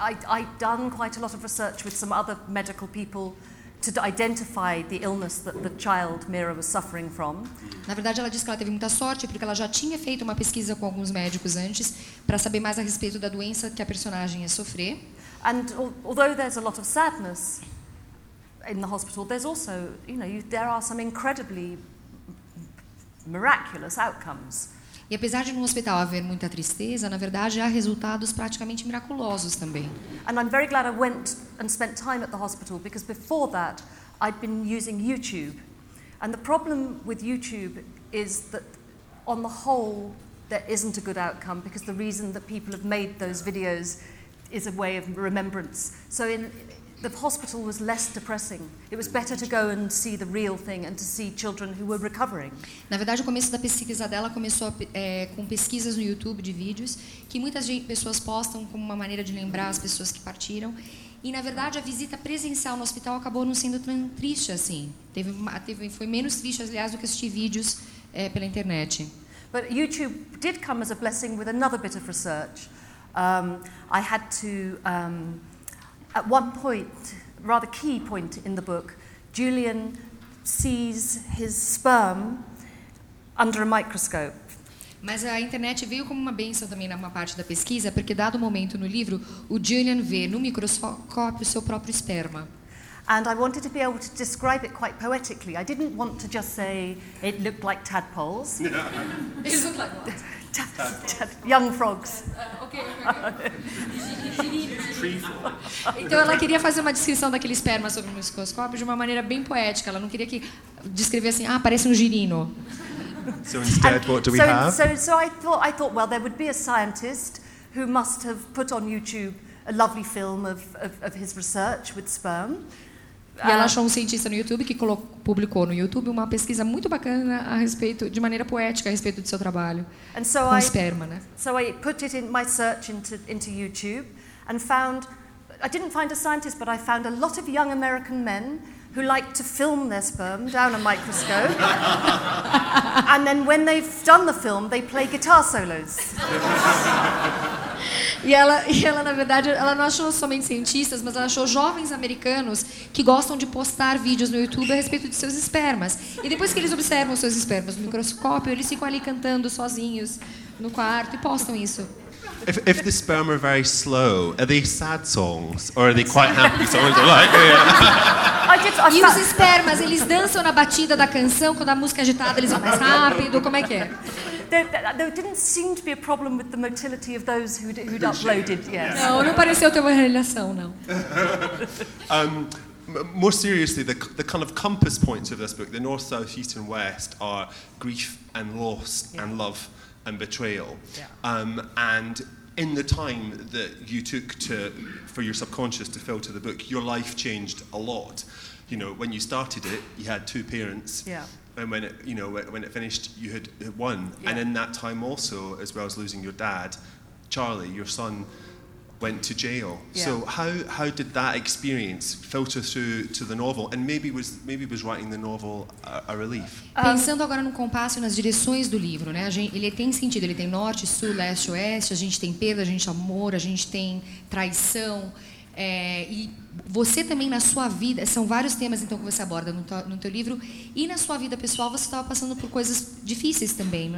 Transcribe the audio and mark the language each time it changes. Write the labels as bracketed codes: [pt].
[en] I'd done quite a lot of research with some other medical people to identify the illness that the child Mira was suffering from. [pt] Na verdade, ela disse que ela teve muita sorte porque ela já tinha feito uma pesquisa com alguns médicos antes para saber mais a respeito da doença que a personagem ia sofrer. [en] And although there's a lot of sadness in the hospital, there's also, you know, there are some incredibly miraculous outcomes. [pt] E apesar de no hospital haver muita tristeza, na verdade há resultados praticamente miraculosos também. [en] And I'm very glad I went and spent time at the hospital because before that I'd been using YouTube. And the problem with YouTube is that on the whole there isn't a good outcome because the reason that people have made those videos is a way of remembrance. So in the hospital was less depressing. It was better to go and see the real thing and to see children who were recovering. [pt] Na verdade, o começo da pesquisa dela começou com pesquisas no YouTube de vídeos que muitas pessoas postam como uma maneira de lembrar as pessoas que partiram. E na verdade, a visita presencial no hospital acabou não sendo tão triste assim. Foi menos triste, aliás, do que assistir vídeos pela internet. [en] But YouTube did come as a blessing with another bit of research. I had to at one point, rather key point in the book, Julian sees his sperm under a microscope. [pt] Mas a internet veio como uma bênção também numa parte da pesquisa, porque dado momento no livro, o Julian vê no microscópio o seu próprio esperma. [en] And I wanted to be able to describe it quite poetically. I didn't want to just say it looked like tadpoles. It looked like what? Young frogs. Okay. [pt] Então ela queria fazer uma descrição daquele esperma sobre o microscópio de uma maneira bem poética. Ela não queria que descrevesse assim, parece um girino. [en] So instead, what do we have? So I thought, well, there would be a scientist who must have put on YouTube a lovely film of his research with sperm. [pt] E ela achou um cientista no YouTube que publicou no YouTube uma pesquisa muito bacana a respeito, de maneira poética, a respeito do seu trabalho com esperma, né? [en] So I put it in my search into YouTube and found, I didn't find a scientist, but I found a lot of young American men who like to film their sperm down a microscope. And then when they've done the film, they play guitar solos. [pt] E ela, na verdade, ela não achou somente cientistas, mas ela achou jovens americanos que gostam de postar vídeos no YouTube a respeito de seus espermas. E depois que eles observam seus espermas no microscópio, eles ficam ali cantando sozinhos no quarto e postam isso. [en] If the sperm are very slow, are they sad songs or are they quite happy songs? Like, yeah. [pt] E os espermas, eles dançam na batida da canção, quando a música é agitada eles vão mais rápido, como é que é? [en] There didn't seem to be a problem with the motility of those who'd uploaded, yes. [pt] Não pareceu ter uma relação, não. [en] More seriously, the kind of compass points of this book, the north, south, east and west, are grief and loss and love and betrayal. Yeah. And in the time that you took for your subconscious to filter the book, your life changed a lot. You know, when you started it, you had two parents. Yeah. And when it, you know, when it finished, you had won. Yeah. And in that time also, as well as losing your dad, Charlie, your son, went to jail. Yeah. So how did that experience filter through to the novel? And maybe was writing the novel a relief? [pt] Pensando agora no compasso e nas direções do livro, né? Ele tem sentido, ele tem norte, sul, leste, oeste, a gente tem perda, a gente amor, a gente tem traição. E você também na sua vida, são vários temas então que você aborda no teu livro, e na sua vida pessoal você estava passando por coisas difíceis também.